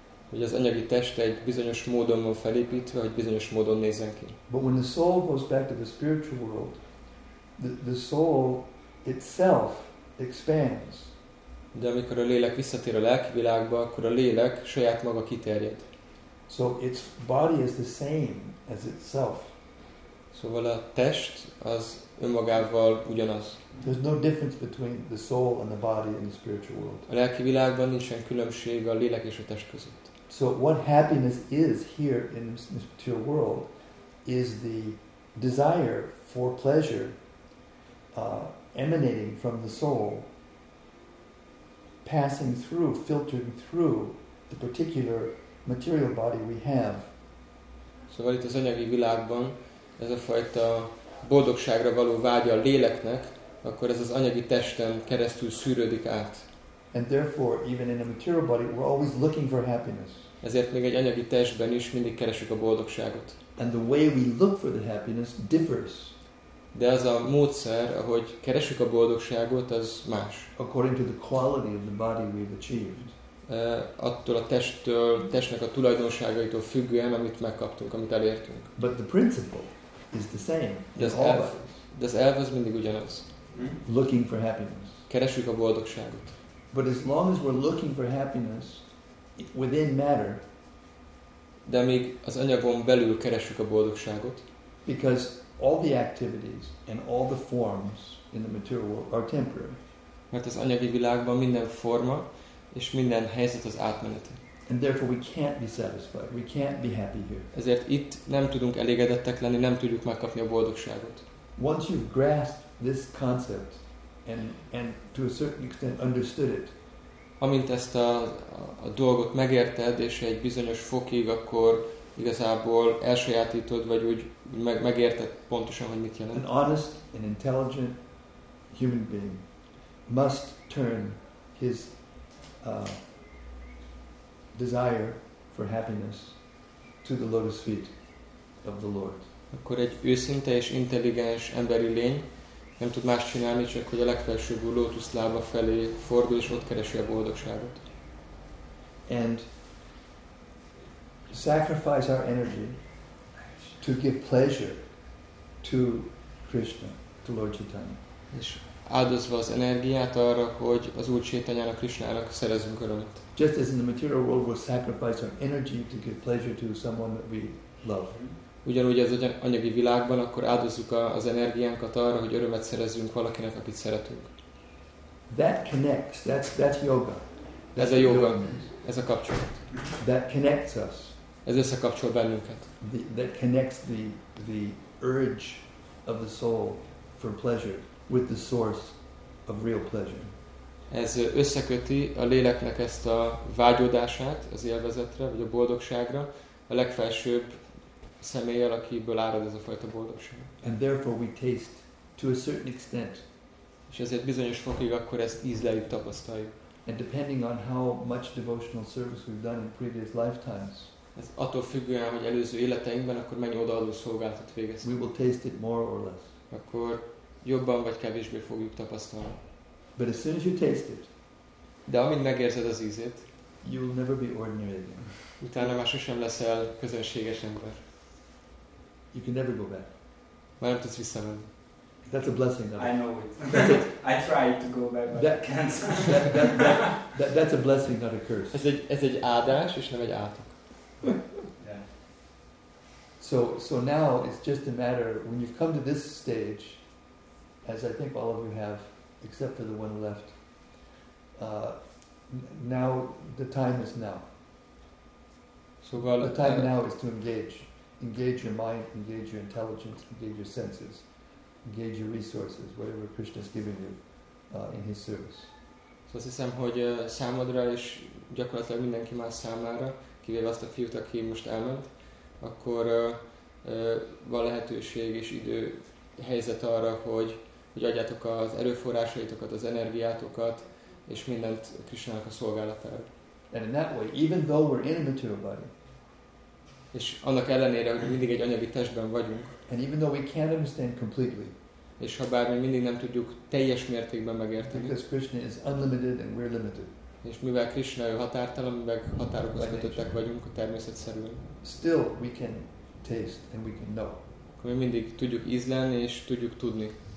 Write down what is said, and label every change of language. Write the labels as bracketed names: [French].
[Hungarian] Hogy az anyagi test egy bizonyos módon van felépítve, hogy bizonyos módon nézzen ki. [English] But when the soul goes back to the spiritual world, the soul itself expands. [Hungarian] De amikor a lélek visszatér a lelki világba, akkor a lélek saját maga kiterjed. [English] So its body is the same as itself. [Hungarian] Szóval a test az önmagával ugyanaz. [English] There's no difference between the soul and the body in the spiritual world. [Hungarian] A lelki világban nincsen különbség a lélek és a test között. [English] So what happiness is here in this material world is the desire for pleasure emanating from the soul, passing through, filtering through the particular material body we have. [Hungarian] Szóval itt az anyagi világban ez a fajta boldogságra való vágya a léleknek, akkor ez az anyagi testen keresztül szűrődik át. [English] And therefore, even in a material body, we're always looking for happiness. [Hungarian] Ezért még egy anyagi testben is mindig keresjük a boldogságot. [English] And the way we look for the happiness differs. [Hungarian] De az a módszer, ahogy keresjük a boldogságot, az más. [English] According to the quality of the body we've achieved. [Hungarian] Attól a testtől, testnek a tulajdonságaitól függően, amit megkaptunk, amit elértünk. [English] But the principle is the same. [Hungarian] De az elv az mindig ugyanaz. [English] Looking for happiness. [Hungarian] Keresjük a boldogságot. [English] But as long as we're looking for happiness within matter, [Hungarian] de amíg az anyagon belül keresjük a boldogságot, [English] because all the activities and all the forms in the material world are temporary. [Hungarian] Mert az anyagi világban minden forma és minden helyzet az átmeneti. [English] And therefore we can't be satisfied. We can't be happy here. [Hungarian] Ezért itt nem tudunk elégedettek lenni, nem tudjuk megkapni a boldogságot. [English] Once you've grasped this concept and to a certain extent understood it, [Hungarian] amint ezt a dolgot megérted, és egy bizonyos fokig, akkor igazából elsajátítod, vagy úgy megérted pontosan, hogy mit jelent. [English] An honest and intelligent human being must turn his desire for happiness to the lotus feet of the Lord. [Hungarian] Akkor egy őszinte és intelligens emberi lény nem tud más csinálni, csak hogy a legfelsőbb lótusz lába felé fordul, és ott keresi a boldogságot. [English] And sacrifice our energy to give pleasure to Krishna, to Lord Chaitanya. [Hungarian] És áldozva az energiát arra, hogy az Úr Csaitanyának, Krisnának szerezzünk örömet. [English] Just as in the material world we sacrifice our energy to give pleasure to someone that we love. [Hungarian] Ugyanúgy az anyagi világban akkor áldozzuk az energiánkat arra, hogy örömet szerezzünk valakinek, akit szeretünk. [English] That connects, that's yoga. [Hungarian] Ez a yoga, ez a kapcsolat. [English] That connects us. [Hungarian] Ez összekapcsol bennünket. [English] That connects the urge of the soul for pleasure with the source of real pleasure. [Hungarian] Ez összeköti a léleknek ezt a vágyódását az élvezetre, vagy a boldogságra, a legfelsőbb személlyel, akiből árad ez a fajta boldogság. [English] And therefore we taste to a certain extent. [Hungarian] És ezért bizonyos fokig akkor ezt ízlelőt tapasztaljuk. [English] And depending on how much devotional service we've done in previous lifetimes. [Hungarian] Ez attól függően, hogy előző életeinkben akkor mennyi odaadó szolgáltat végeztünk. [English] We will taste it more or less. [Hungarian] Akkor jobban vagy kevésbé fogjuk tapasztalni. [English] But as soon as you taste it, [Hungarian] de amint megérzed az ízét, [English] you will never be ordinary again. [Hungarian] Utána már sosem leszel közönséges ember. [English] You can never go back. [Hungarian] Már nem tudsz visszamenni. [English] That's a blessing. I know it. I tried to go back, but that, I can't. That's a blessing, not a curse. [Hungarian] Ez egy áldás, és nem egy átok. [English] So now it's just a matter when you've come to this stage, as I think all of you have, except for the one left. Now the time is now. [Hungarian] Szóval [English] the time now is to engage. Engage your mind, engage your intelligence, engage your senses, engage your resources, whatever Krishna has given you in his service. [Hungarian] Szóval azt hiszem, hogy számodra és gyakorlatilag mindenki más számára, kivéve azt a fiút, aki most elment, akkor van lehetőség és idő, helyzet arra, hogy adjátok az erőforrásaitokat, az energiátokat és mindent Krisnának a szolgálatára. [English] And in that way, even though we're in a material body, [Hungarian] és annak ellenére, hogy mindig egy anyagi testben vagyunk, [English] and even though we can't understand completely, [Hungarian] és ha bár mi mindig nem tudjuk teljes mértékben megérteni, [English] because Krishna is unlimited and we're limited, [Hungarian] és mivel Krishna ő határtalan, meg határokhoz kötöttek vagyunk a természet szerint, [English] still we can taste and we can know. [Hungarian] Akkor mi mindig tudjuk ízlelni és tudjuk tudni.